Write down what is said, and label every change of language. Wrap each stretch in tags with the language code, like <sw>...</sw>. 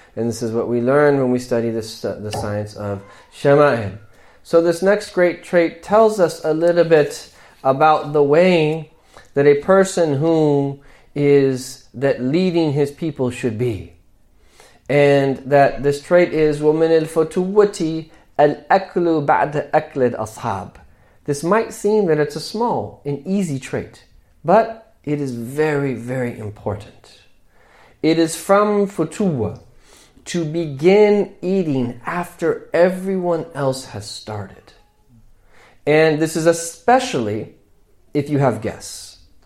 <en>And this is what we learn when we study the science of Shama'in. So this next great trait tells us a little bit about the way that a person who is that leading his people should be. And that this trait is</en> <ar>وَمِنِ الْفُتُوَّةِ الْأَكْلُ بَعْدَ أَكْلِ الْأَصْحَابِ.</ar> <en>This might seem that it's a small and easy trait, but it is very, very important. It is from futuwa to begin eating after everyone else has started. And this is especially if you have guests.</en>